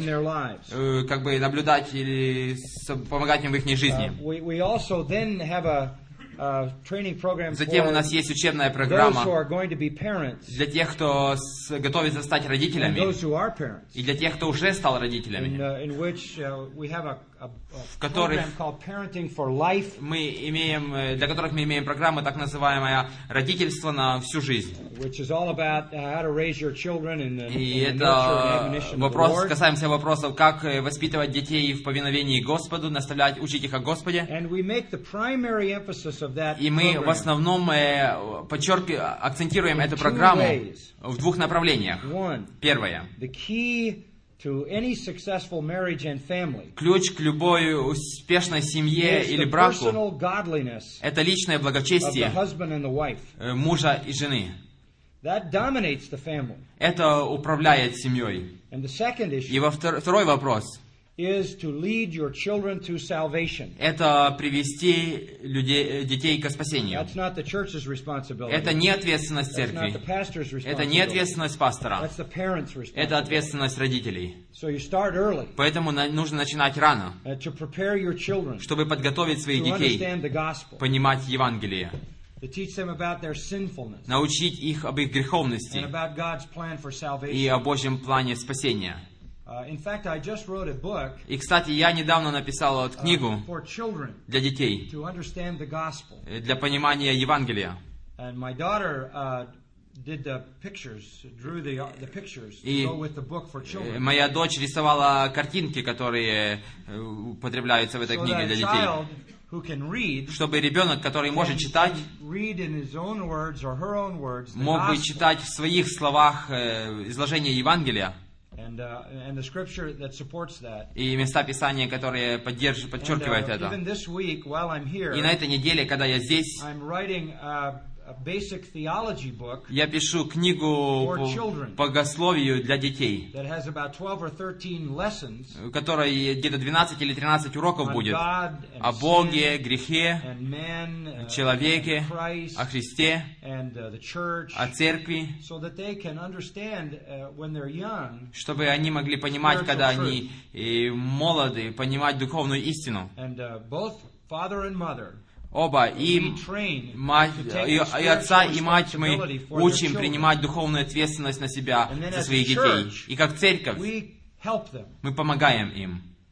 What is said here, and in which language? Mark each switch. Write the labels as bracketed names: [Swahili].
[English] in their lives. [Russian] Как бы наблюдать или помогать им в их жизни. [English] We also then have a training program. [Russian] Затем у нас есть учебная программа [English] those who are going to be parents, [Russian] для тех, кто готовится стать родителями, [English] and those who are parents, [Russian] и для тех, кто уже стал родителями. [English] In which we have a program called Parenting for Life. [Russian] Мы имеем для которых мы имеем программу так называемое родительство на всю жизнь. [English] Which is all about how to raise your children in the nurture and admonition of the Lord. [Russian] И это касаемся вопросов, как воспитывать детей в повиновении Господу, наставлять, учить их о Господе. [English] And we make the primary emphasis of that. [Russian] И мы в основном акцентируем эту программу в двух направлениях. Первое. [English] The key to any successful marriage and family. [Russian] Ключ к любой успешной семье или браку. [English] Personal godliness. [Russian] Это личное благочестие. [English] The husband and the wife. [Russian] Мужа и жены. [English] That dominates the family. [Russian] Это управляет семьей. [English] And the second issue. [Russian] И второй вопрос. [English] Is to lead your children to salvation. [Russian] Это привести детей к спасению. [English] That's not the church's responsibility. [Russian] Это не ответственность церкви. [English] That's not the pastor's responsibility. [Russian] Это не ответственность пастора. [English] That's the parents' responsibility. [Russian] Это ответственность родителей. [English] So you start early. [Russian] Поэтому нужно начинать рано. [English] To prepare your children. [Russian] Чтобы подготовить своих детей. [English] To understand the gospel. [Russian] Понимать Евангелие. [English] To teach them about their sinfulness. [Russian] Научить их об их греховности. [English] And about God's plan for salvation. [Russian] И о Божьем плане спасения. [English] In fact, I just wrote a book. [Russian] И кстати, я недавно написал книгу [English] for children, [Russian] для детей, [English] to understand the gospel. [Russian] Для понимания Евангелия. [English] And my daughter did the pictures, drew the pictures to go with the book for children. [Russian] И моя дочь рисовала картинки, которые употребляются в этой книге для детей. [English] Who can read, [Russian] чтобы ребенок, который может читать, [English] read in his own words or her own words, [Russian] мог бы читать в своих словах изложение Евангелия. [English] And the scripture that supports that. [Russian] И места Писания, которые подчеркивают это. [English] Even this week, while I'm here, [Russian] и на этой неделе, когда я здесь, [English] I'm writing a basic theology book. [Russian] Я пишу книгу [English] for children, [Russian] по богословию для детей. [English] That has about 12 or 13 lessons. [Russian] В которой где-то 12 или 13 уроков будет. [English] God, [Russian] о Боге, грехе, [English] and man, [Russian] человеке, [English] and Christ, [Russian] о Христе, [English] and the church, [Russian] о церкви. [English] So that they can understand when they're young. [Russian] Чтобы они могли понимать, когда они молоды, понимать духовную истину. [English] And both father and mother. [Russian] Оба, и, отца, и мать мы учим принимать духовную ответственность на себя, за своих детей. И как церковь, мы помогаем им.